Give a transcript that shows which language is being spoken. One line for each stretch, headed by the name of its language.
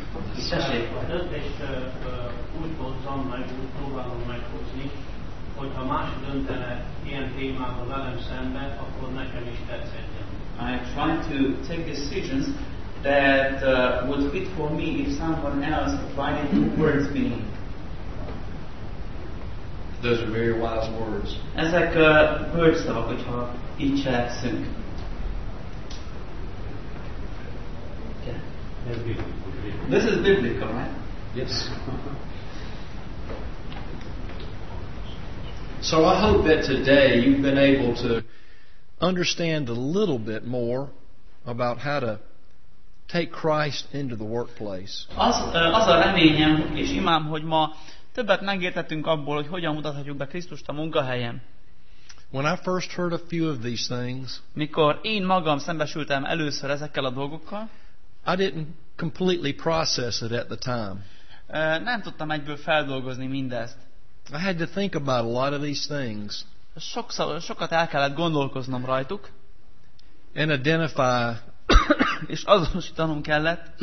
English: I try to take decisions that would fit for me if someone else provided towards me. Those are very wise words.
Hungarian: Ezek
English: words
Hungarian: szavak, hogyha így cselekszünk.
English: This is biblical, right? Yes. So I hope that today you've been able to understand a little bit more about how to take Christ into the workplace.
Hungarian: Az a reményem és imám, hogy ma többet megértettünk abból, hogy hogyan mutathatjuk be Krisztust a munkahelyen.
English: When I first heard a few of these things,
Hungarian: mikor én magam szembesültem először ezekkel a dolgokkal,
English: I didn't completely process it at the time.
Hungarian: Nem tudtam egyből feldolgozni mindezt.
English: I had to think about a lot of these things.
Hungarian: Sokat el kellett gondolkoznom rajtuk.
English: And identify.
Hungarian: És azonosítanom kellett.